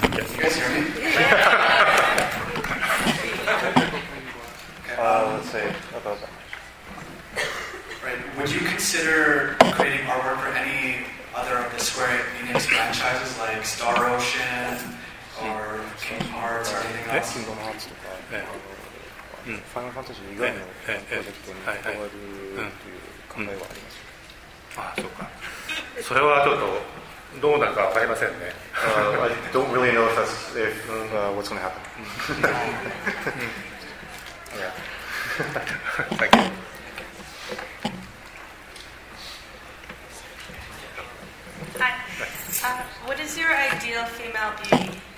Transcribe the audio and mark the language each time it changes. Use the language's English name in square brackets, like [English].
[English] Yes. You guys hear me? Let's see about that. Right. Would you consider creating artwork for any other of the Square Enix franchises like Star Ocean or Kingdom Hearts or anything else? [Japanese] Kingdom Hearts とか、Final Fantasy 以外のプロジェクトに関わるという考えはありますか？ああ、そうか。それはちょっとどうなるかわかりませんね。 [English] I don't really know if what's going to happen. Yeah. Thank you. Hi. What is your ideal female beauty?